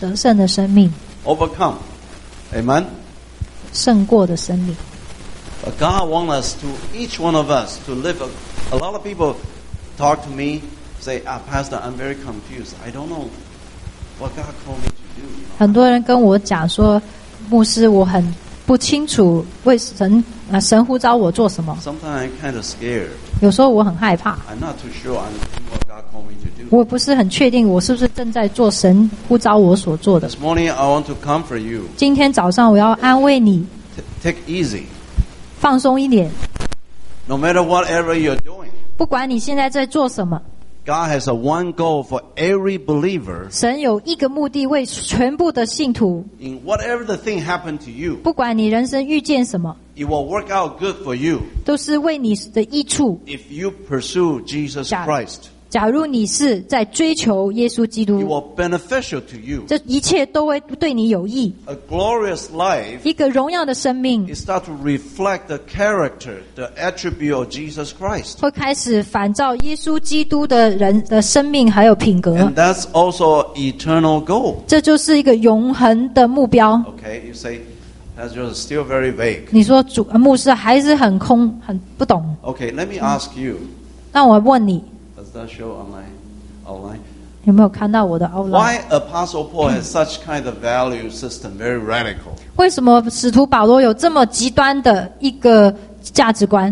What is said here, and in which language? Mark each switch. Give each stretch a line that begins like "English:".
Chinese: 得胜的生命。
English: Overcome. Amen.
Chinese: 胜过的生命。
English: But God wants us to, each one of us, to live a lot of people talk to me. Say, ah, Pastor, I'm very confused. I don't know what God called me to do.
Chinese: 很多人跟我讲说，牧师，我很不清楚为神呼召我做什么。
English: Sometimes I'm kind of scared.
Chinese: 有时候我很害怕。
English: I'm not too sure I'm doing what God called me to do.
Chinese: 我不是很确定我是不是正在做神呼召我所做的。
English: This morning I want to comfort you.
Chinese: 今天早上我要安慰你。
English: Take easy.
Chinese: 放松一点。
English: No matter whatever you're doing.
Chinese: 不管你现在在做什么。
English: God has a one goal for every believer.
Chinese: 神有一个目的为全部的信徒。
English: In whatever the thing happened to you,
Chinese: 不管你人生遇见什么，
English: it will work out good for you.
Chinese: 都是为你的益处。
English: If you pursue Jesus Christ,
Chinese: 假如你是在追求耶稣基督，
English: it will beneficial to you.
Chinese: 这一切都会对你有益。
English: A glorious life,
Chinese: 一个荣耀的生命，
English: it starts to reflect the character, the attribute of Jesus Christ.
Chinese: 会开始反照耶稣基督的人的生命还有品格。
English: And that's also an eternal goal.
Chinese: 这就是一个永恒的目标。
English: Okay, you say, that's just still very vague.
Chinese: 你说主牧师还是很空，很不懂。
English: Okay, let me ask you.
Chinese: 那我问你。
English: Does that show online?
Chinese: 有没有看到我的 outline?
English: Why Apostle Paul has such kind of value system, very radical?
Chinese: 为什么使徒保罗有这么极端的一个价值观？